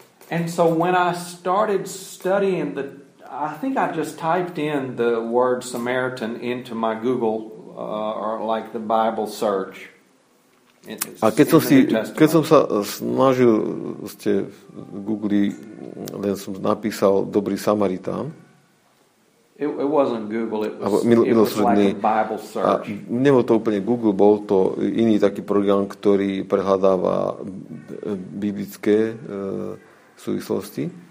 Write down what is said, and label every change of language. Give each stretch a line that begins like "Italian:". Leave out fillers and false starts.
English: And so when I started studying I think I just typed in the word Samaritan into my Google or like the Bible search.
Slovak: A keď som sa snažil ste v Google, len som napísal dobrý Samaritán.
English: It wasn't Google, it was like a Bible search.
Slovak: A nebol to úplne Google, bol to iný taký program, ktorý prehľadáva biblické súvislosti.